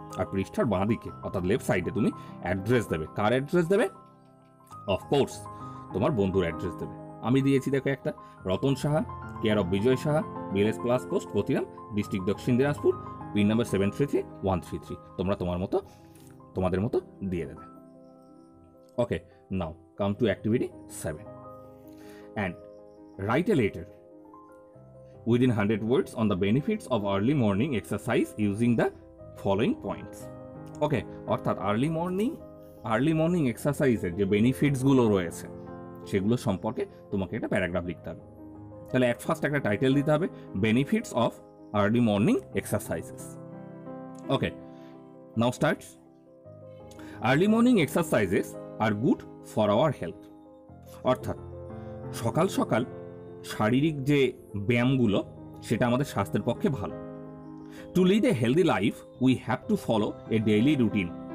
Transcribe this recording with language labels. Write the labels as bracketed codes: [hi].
[bn] আর পৃষ্ঠার বাঁ দিকে অর্থাৎ লেফট সাইডে তুমি অ্যাড্রেস দেবে, কার অ্যাড্রেস দেবে, অফকোর্স তোমার বন্ধুর অ্যাড্রেস দেবে। আমি দিয়েছি দেখো একটা, Ratan Saha care of Bijoy Saha BLS plus post গতিরাম district দক্ষিণ দিনাজপুর পিন নাম্বার 733133, তোমরা তোমাদের মতো দিয়ে দেবে। ওকে, [en] Now come to activity 7 and write a letter within 100 words on the benefits of early morning exercise using the following points. [bn] Okay, অর্থাৎ [en] early morning exercise [bn] এর যে benefits গুলো রয়েছে সেগুলো সম্পর্কে তোমাকে একটা প্যারাগ্রাফ লিখতে হবে। তাহলে এট ফার্স্ট একটা টাইটেল দিতে হবে, [en] benefits of early morning exercises. Okay, now starts. Early morning exercises are good for our health. [bn] অর্থাৎ সকাল সকাল শারীরিক যে ব্যায়ামগুলো সেটা আমাদের স্বাস্থ্যের পক্ষে ভালো। [en] To lead a healthy life, we have to follow a daily routine.